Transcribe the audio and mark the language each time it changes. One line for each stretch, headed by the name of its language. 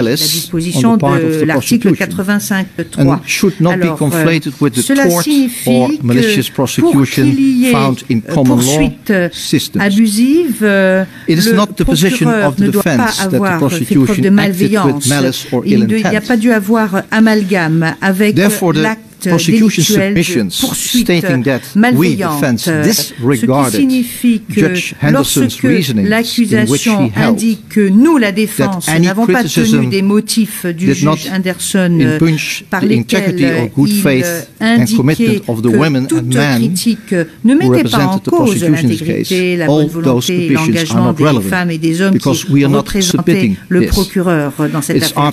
French: La disposition de l'article 85.3. Cela signifie que pour qu'il y ait poursuite abusive, le procureur ne doit pas avoir fait preuve de malveillance. Il n'y a pas dû avoir amalgame avec l'acte
English: prosecution submissions stating that we defense disregarded Judge Henderson's reasoning in which he held
French: que nous, la défense, n'avons pas tenu des motifs du juge Henderson par lesquels il indiquait que toute critique ne mettait pas en cause l'intégrité, la bonne volonté et l'engagement des femmes et des hommes qui représentaient le procureur dans cette affaire.